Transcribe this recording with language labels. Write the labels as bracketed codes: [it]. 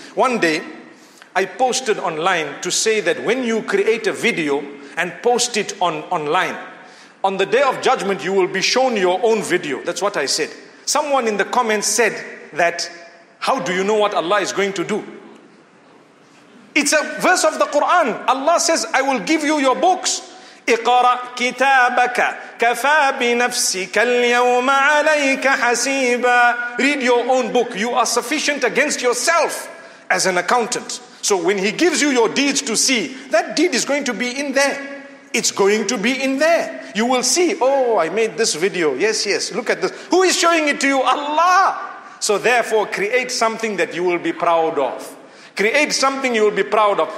[en] One day, I posted online to say that when you create a video and post it online, on the day of judgment, you will be shown your own video. That's what I said. Someone in the comments said that, how do you know what Allah is going to do? It's a verse of the Quran. Allah says, I will give you your books. [ar] اقرأ كتابك كفى بنفسك اليوم عليك حسيبا. [en] Read your own book. You are sufficient against yourself as an accountant. So when He gives you your deeds to see, that deed is going to be in there. It's going to be in there. You will see, oh, I made this video. Yes, yes. Look at this. Who is showing it to you? Allah. So therefore, create something that you will be proud of. Create something you will be proud of.